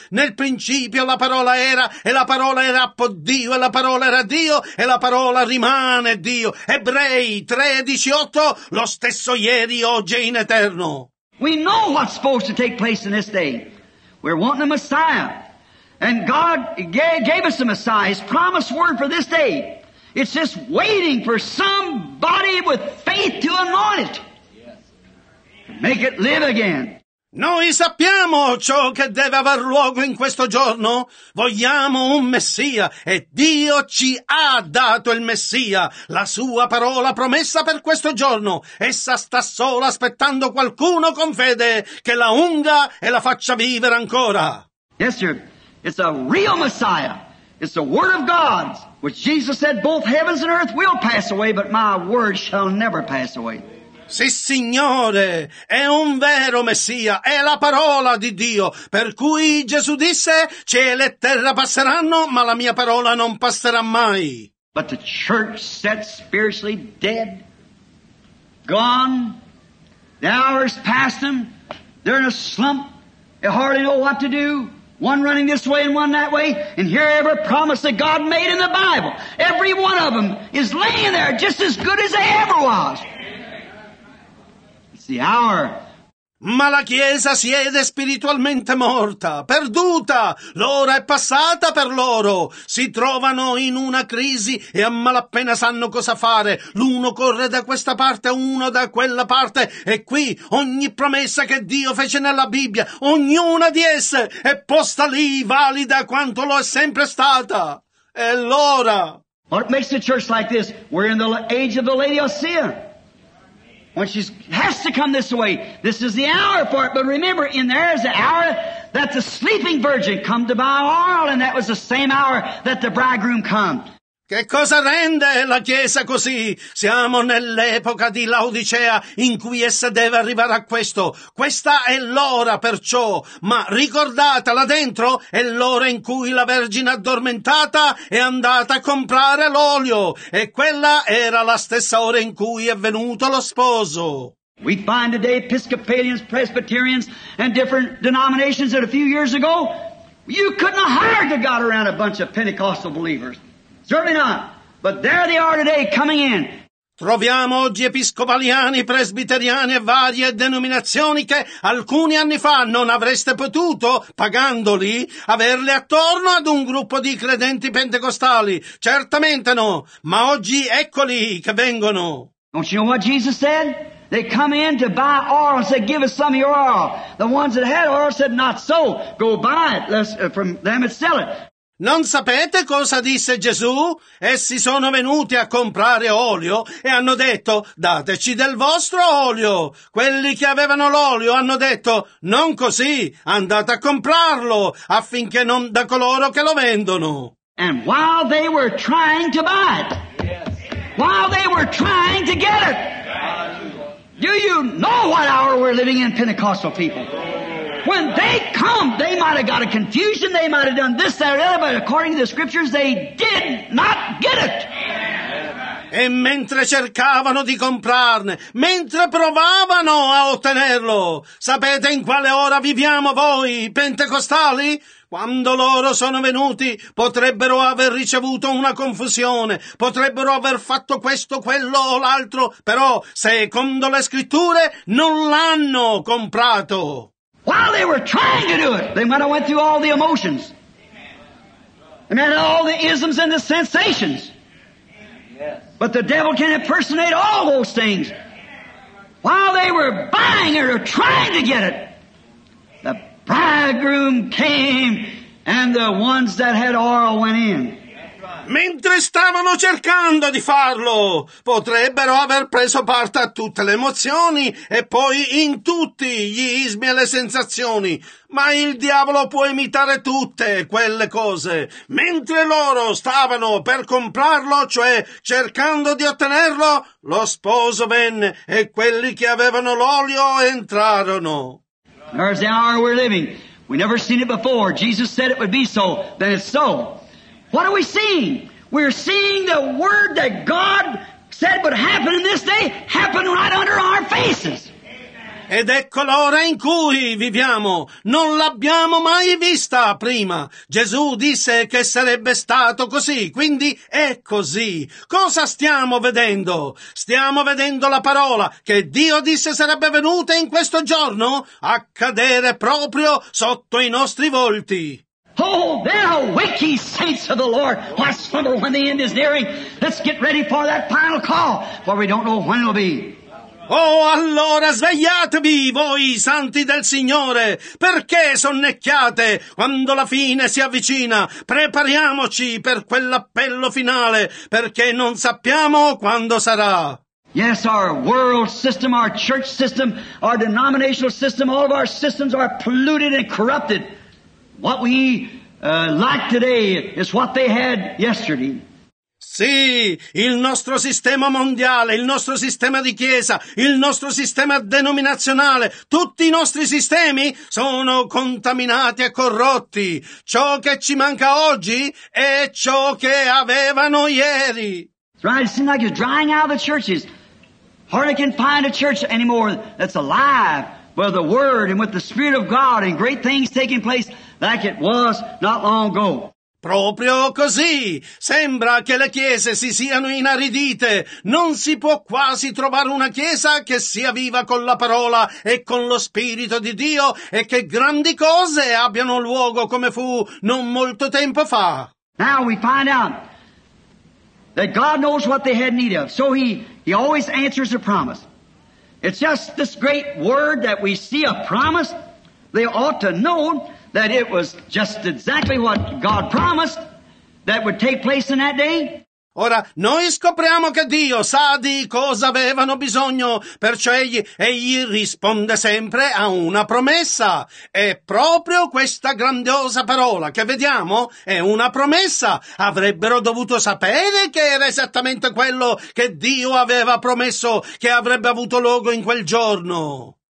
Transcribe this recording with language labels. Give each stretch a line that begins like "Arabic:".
Italian: Nel principio la parola era, e la parola era appunto Dio, e la parola era Dio, e la parola rimane Dio. Ebrei 13:8, lo stesso ieri, oggi e in eterno.
English: We know what's supposed to take place in this day. We're wanting a Messiah. And God gave us a Messiah, His promised word for this day. It's just waiting for somebody with faith to anoint it. Make it live again.
Italian: Noi sappiamo ciò che deve aver luogo in questo giorno. Vogliamo un Messia e Dio ci ha dato il Messia, la sua parola promessa per questo giorno. Essa sta sola aspettando qualcuno con fede che la unga e la faccia vivere ancora.
English: Yes, sir. It's a real Messiah. It's the word of God, which Jesus said both heavens and earth will pass away, but my word shall never pass away.
Italian: Sì, Signore, è un vero Messia, è la parola di Dio, per cui Gesù disse, cielo e terra passeranno, ma la mia parola non passerà mai.
English: But the church sat spiritually dead, gone, the hours passed them, they're in a slump, they hardly know what to do, one running this way and one that way, and here every promise that God made in the Bible, every one of them is laying there just as good as they ever was. The hour.
Italian: Ma la Chiesa siede spiritualmente morta, perduta. L'ora è passata per loro. Si trovano in una crisi e a malapena sanno cosa fare. L'uno corre da questa parte, uno da quella parte. E qui ogni promessa che Dio fece nella Bibbia, ognuna di esse è posta lì, valida quanto lo è sempre stata. E l'ora.
English: What makes the church like this? We're in the age of the Laodicea. When she has to come this way, this is the hour for it. But remember, in there is the hour that the sleeping virgin come to buy oil, and that was the same hour that the bridegroom come.
Italian: Che cosa rende la Chiesa così? Siamo nell'epoca di Laodicea in cui essa deve arrivare a questo. Questa è l'ora perciò, ma ricordata là dentro è l'ora in cui la Vergine addormentata è andata a comprare l'olio e quella era la stessa ora in cui è venuto lo sposo.
English: We find today Episcopalians, Presbyterians and different denominations that a few years ago you couldn't hire to God around a bunch of Pentecostal believers. Certainly not, but there they are today coming in.
Italian: Troviamo oggi episcopaliani, presbiteriani e varie denominazioni che alcuni anni fa non avreste potuto, pagandoli, averle attorno ad un gruppo di credenti pentecostali. Certamente no, ma oggi eccoli che vengono.
English: Don't you know what Jesus said? They come in to buy oil and said, give us some of your oil. The ones that had oil said, not so, go buy it from them and sell it.
Italian: Non sapete cosa disse Gesù? Essi sono venuti a comprare olio e hanno detto, dateci del vostro olio. Quelli che avevano l'olio hanno detto, non così, andate a comprarlo, affinché non da coloro che lo vendono.
English: And while they were trying to buy it, while they were trying to get it, do you know what hour we're living in, Pentecostal people? When they come, they might have got a confusion, they might have done this, that, or other, but according to the scriptures, they did not get it.
Italian: E mentre cercavano di comprarne, mentre provavano a ottenerlo, sapete in quale ora viviamo voi, pentecostali? Quando loro sono venuti, potrebbero aver ricevuto una confusione, potrebbero aver fatto questo, quello o l'altro, però, secondo le scritture, non l'hanno comprato.
English: While they were trying to do it, they might have went through all the emotions. They might have all the isms and the sensations. But the devil can impersonate all those things. While they were buying it or trying to get it, the bridegroom came and the ones that had oil went in.
Italian: Mentre stavano cercando di farlo, potrebbero aver preso parte a tutte le emozioni e poi in tutti gli ismi e le sensazioni, ma il diavolo può imitare tutte quelle cose. Mentre loro stavano per comprarlo, cioè cercando di ottenerlo, lo sposo venne e quelli che avevano l'olio entrarono.
English: There's the hour we're living. We never seen it before. Jesus said it would be so. Then it's so. What are we seeing? We're seeing the word that God said would happen in this day happen right under our faces.
Italian: Ed ecco l'ora in cui viviamo, non l'abbiamo mai vista prima. Gesù disse che sarebbe stato così, quindi è così. Cosa stiamo vedendo? Stiamo vedendo la parola che Dio disse sarebbe venuta in questo giorno accadere proprio sotto i nostri volti.
English: Oh, there awake ye saints of the Lord. Why slumber when the end is nearing? Let's get ready for that final call, for we don't know when it'll be.
Italian: Oh, allora svegliatevi voi santi del Signore, perché sonnecchiate quando la fine si avvicina? Prepariamoci per quell'appello finale, perché non sappiamo quando sarà.
English: Yes, our world system, our church system, our denominational system, all of our systems are polluted and corrupted. What we lack today is what they had yesterday.
Italian: Sì, il nostro sistema mondiale, il nostro sistema di chiesa, il nostro sistema denominazionale, tutti i nostri sistemi sono contaminati e corrotti. Ciò che ci manca oggi è ciò che avevano ieri.
English: Right, it seems like it's drying out of the churches. Hardly can find a church anymore that's alive with the Word and with the Spirit of God and great things taking place like it was not long ago.
Italian: Proprio così. Sembra che le chiese si siano inaridite. Non si può quasi trovare una chiesa che sia viva con la parola e con lo Spirito di Dio e che grandi cose abbiano luogo come fu non molto tempo fa.
English: Now we find out that God knows what they had need of. So he always answers the promise. It's just this great word that we see a promise. They ought to know that it was just exactly what God promised that would take place in that day.
Italian: Ora, noi scopriamo che Dio sa di cosa avevano bisogno, perciò egli risponde sempre a una promessa. E proprio questa grandiosa parola che vediamo è una promessa. Avrebbero dovuto sapere che era esattamente quello che Dio aveva promesso che avrebbe avuto luogo in quel giorno.